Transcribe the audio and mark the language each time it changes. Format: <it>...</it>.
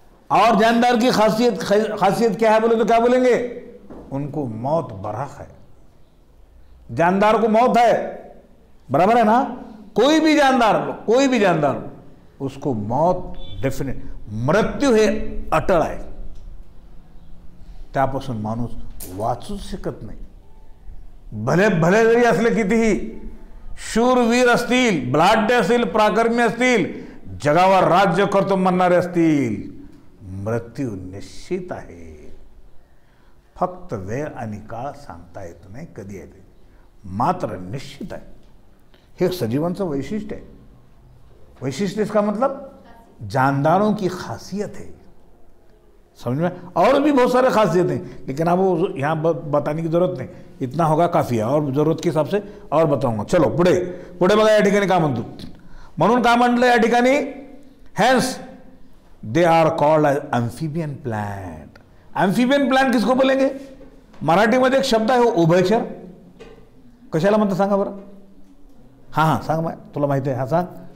<hi>और जानदार की खासियत क्या है बोले तो क्या बोलेंगे? उनको मौत बरहक है। जानदार को मौत है, बराबर है ना? कोई भी जानदार उसको मौत डेफिनेट, मृत्यु है अटल आहे।</hi> <mr>त्यापासून माणूस वाचू शकत नाही। भले जरी असले कितीही शूरवीर असतील, ब्लाढ्य असतील, पराक्रमी असतील, जगावर राज्य करतो म्हणणारे असतील, मृत्यू निश्चित आहे। फक्त वेळ आणि काळ सांगता येत नाही कधी येते, मात्र निश्चित आहे। हे सजीवांचं वैशिष्ट्य आहे।</mr> <hi>वैशिष्ट्य इसका मतलब जानदारों की खासियत है, समझ में? और भी बहुत सारे खासियत हैं लेकिन आप यहां बताने की जरूरत नहीं, इतना होगा काफी है। और जरूरत के हिसाब से और बताऊंगा।</hi> <mr>चलो पुढ़े पुढ़े बघा, या ठिकाणी काय म्हणतो? म्हणून काय म्हटलं या ठिकाणी?</mr> <en>Hence they are called as amphibian plant.</en> <hi>Amphibian plant किसको बोलेंगे?</hi> <mr>मराठी मध्ये एक शब्द आहे उभयचर, कशाला म्हणतात सांगा बरं? हां हां सांग, तुला माहिती आहे? हां सांग।</mr>